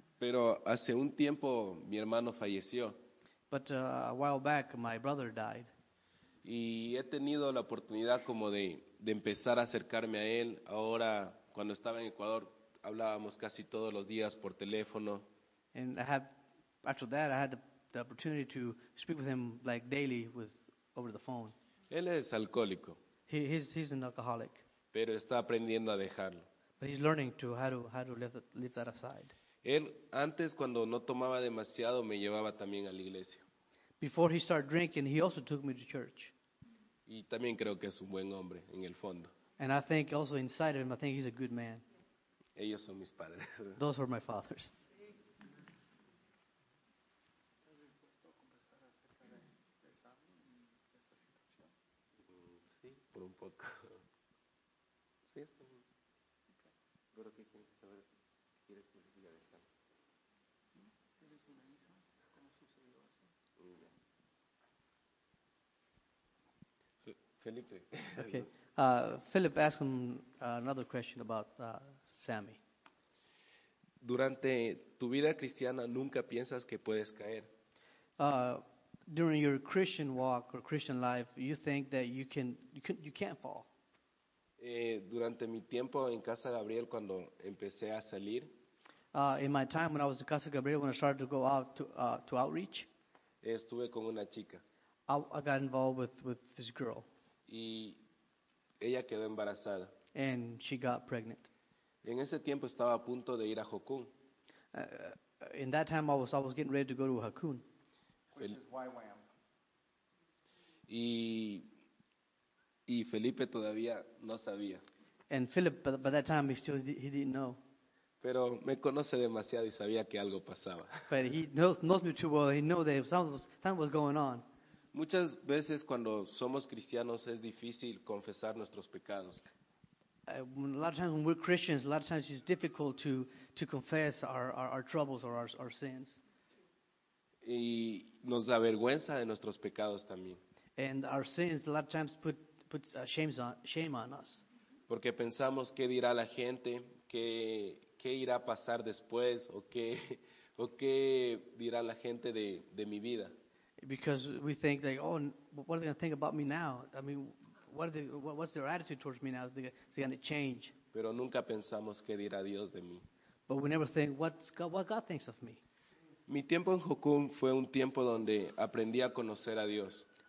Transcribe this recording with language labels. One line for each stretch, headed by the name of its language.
Spanish: Pero hace un tiempo mi hermano falleció.
English: But a while back my brother died.
Spanish: Y he tenido la oportunidad como de empezar a acercarme a él. Ahora cuando estaba en Ecuador hablábamos casi todos los días por teléfono.
English: And I had the opportunity to speak with him like daily over the phone.
Spanish: Él es alcohólico.
English: He's an alcoholic.
Spanish: Pero está aprendiendo a dejarlo.
English: But he's learning to how to leave that aside.
Spanish: Él antes cuando no tomaba demasiado me llevaba también a la iglesia.
English: Before he started drinking, he also took me to church.
Spanish: Y también creo que es un buen hombre en el fondo.
English: And I think also inside of him, I think he's a good man.
Spanish: Ellos son mis padres.
English: Those were my fathers.
Spanish: Un poco. Sí, está bien. Okay. Pero que quieres saber qué quiere significar esa. ¿Tienes una hija? ¿Cómo sucedió eso? Muy bien. Felipe.
English: Okay. Philip asked him another question about Sammy.
Spanish: Durante tu vida cristiana nunca piensas que puedes caer.
English: During your Christian walk or Christian life, you think that you can't fall.
Spanish: Durante mi tiempo en Casa Gabriel cuando empecé a salir.
English: In my time when I was in Casa Gabriel, when I started to go out to outreach.
Spanish: Estuve con una chica.
English: I got involved with this girl.
Spanish: Y ella quedó embarazada.
English: And she got pregnant.
Spanish: En ese tiempo estaba a punto de ir a Hakun.
English: In that time I was getting ready to go to Hakun. Which is YWAM.
Spanish: Y Felipe todavía no sabía.
English: And Philip, by that time, he didn't know.
Spanish: Pero me conoce demasiado y sabía que algo pasaba.
English: But he knows me too well. He knew that something was going on.
Spanish: Muchas veces cuando somos cristianos es difícil confesar nuestros pecados.
English: A lot of times when we're Christians, a lot of times it's difficult to confess our troubles or our sins.
Spanish: Y nos da vergüenza de nuestros pecados también.
English: And our sins a lot of times put shame on us.
Spanish: Porque pensamos qué dirá la gente, qué irá a pasar después, o qué dirá la gente de mi vida.
English: Because we think like, oh, what are they going to think about me now? I mean, what's their attitude towards me now? Is it going to change?
Spanish: Pero nunca pensamos qué dirá Dios de mí.
English: But we never think what God thinks of me.
Spanish: Mi tiempo en Hakun fue un tiempo donde aprendí a conocer a Dios.